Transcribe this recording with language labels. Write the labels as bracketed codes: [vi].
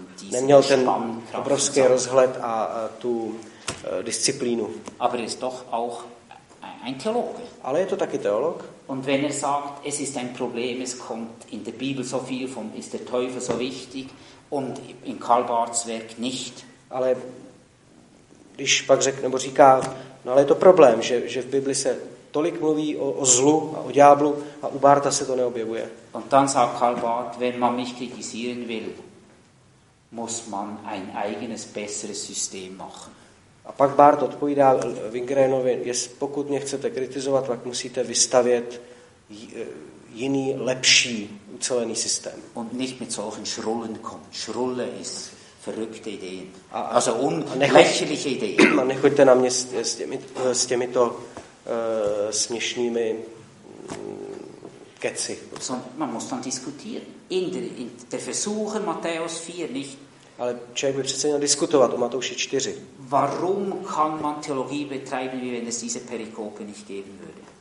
[cs] Neměl ten obrovský rozhled a tu disciplínu. [de] Aber ist doch auch ein Theologe. [cs] Ale je to taky teolog. [de] Und wenn er sagt, es ist ein Problem, es kommt in der Bibel so viel vom ist der Teufel so wichtig und in Karl Barths Werk nicht. [cs] Ale když pak řekne, nebo říká, no ale je to problém, že v Bibli se tolik mluví o zlu a o ďáblu a u Bartha se to neobjevuje. [de] Und dann sagt Karl Barth, wenn man mich kritisieren will, muss man ein eigenes besseres System machen. [cs] A pak Barth odpovídá Lindgrenovi, pokud mě chcete kritizovat, tak musíte vystavět jiný, lepší, ucelený systém. [de] Und nicht mit solchen Schrullen kommen. Schrulle ist verrückte Ideen. Lächerliche Ideen. [cs] A nechoďte na mě s těmito směšnými keci. [de] So, man muss dann diskutieren. In der Versuchung Matthäus 4, nicht? [cs] Ale člověk by přece měl diskutovat o Matouši 4. [de] Warum kann man Theologie betreiben, wie wenn es diese Perikope nicht geben würde?